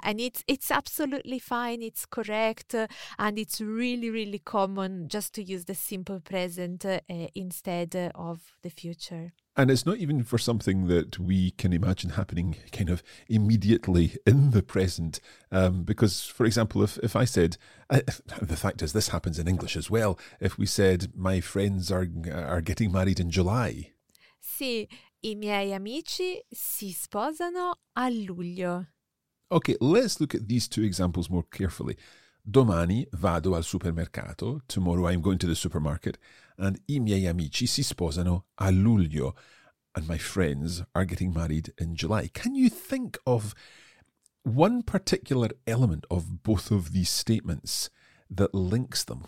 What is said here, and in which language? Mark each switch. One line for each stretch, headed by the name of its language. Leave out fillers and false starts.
English: And it's absolutely fine, it's correct, and it's really, really common just to use the simple present instead of the future. And it's not even for something that we can imagine happening kind of immediately in the present. Because, for example, if I said, the fact is this happens in English as well, if we said my friends are getting married in July.
Italian: Sì, i miei amici si sposano a luglio.
English: Okay, let's look at these two examples more carefully.
Italian: Domani vado al supermercato,
English: tomorrow I'm going to the supermarket, and
Italian: i miei amici si sposano a luglio,
English: and my friends are getting married in July. Can you think of one particular element of both of these statements that links them?